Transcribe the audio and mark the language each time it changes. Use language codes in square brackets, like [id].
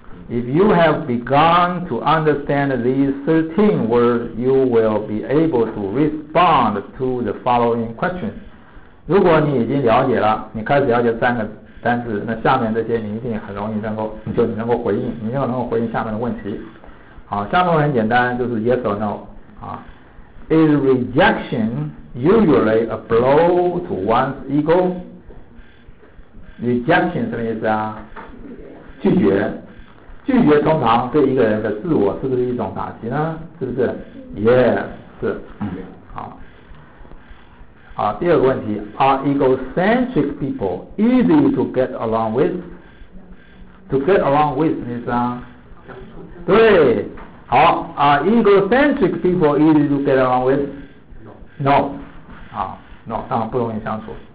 [en] If you have begun to understand these 13 words, you will be able to respond to the following questions. [zh] 如果你已经了解了，你开始了解三个但是那下面这些你一定很容易能够，就你能够回应，你就能够回应下面的问题。好，下面很简单，就是 [en] yes or no [zh] 啊。 [en] Is rejection usually a blow to one's ego? [zh] Rejection 什么意思啊？拒绝，拒绝通常对一个人的自我是不是一种打击呢？是不是 ？ [en] Yes， [zh] 是。好。好，第二个问题 [en] ，Are egocentric people easy to get along with? To get along with [zh] 什么意思啊？对。好啊、 [en] egocentric people easy to get along with? No. No. [zh] 啊 , [en] no, [zh] 当然不容易相处。